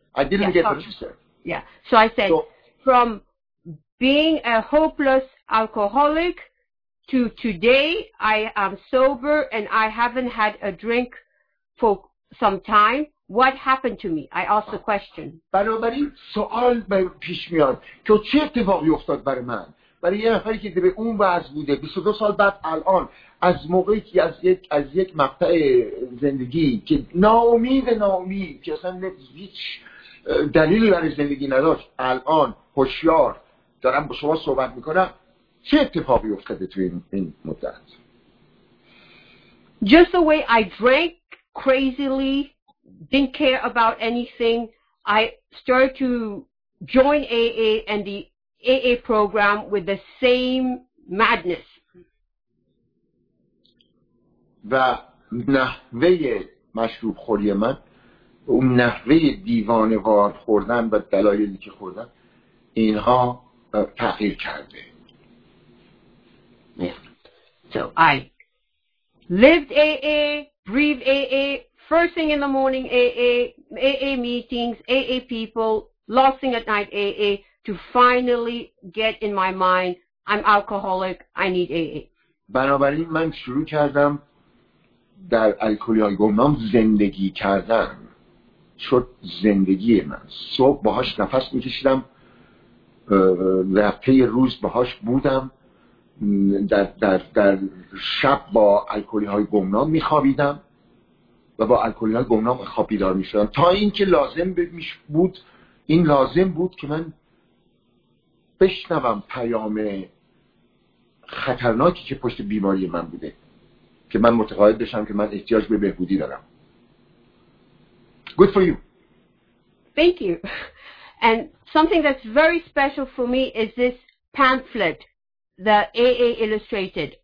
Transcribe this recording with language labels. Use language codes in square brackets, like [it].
[en] I didn't get what you said. Yeah. So I said, from being a hopeless alcoholic to today, I am sober and I haven't had a drink for some time. What happened to me? I asked the question. [fa] بنابراین سوال پیش میاد که چه اتفاقی افتاد برای من؟ برای یه نفری که به اون وضع بوده 22 سال بعد الان از موقعی که از یک مقطع زندگی که ناامید که اصلا هیچ دلیلی برای زندگی نداشت الان هوشیار دارم با شما صحبت میکنم چه اتفاقی افتاده توی این مدت؟ [en] Just the way I drank crazily, didn't care about anything, I started to join AA and the AA program with the same madness. [fa] و نحوه مشروب خوری من اون نحوه دیوانوار خوردن و دلایلی که خوردن اینها تغییر کرده. [en] So I lived AA, breathed AA, first thing in the morning, AA meetings, AA people, last thing at night, AA, to finally get in my mind, I'm alcoholic, I need AA. [fa] بنابراین من شروع کردم در الکلی‌های گمنام زندگی کردم. شد زندگی من. صبح باهاش نفس می‌کشیدم. رفته روز باهاش بودم. در شب با الکلی‌های گمنام می‌خوابیدم. و با الکلی‌های گمنام خواب بیدار می‌شدم تا اینکه لازم بود این لازم بود که من بشنوم پیام خطرناکی که پشت بیماری من بوده، که من متقاعد بشم که من احتیاج به بهبودی دارم. [en] Good for you. Thank you. And something that's very special for me is this pamphlet, the AA Illustrated.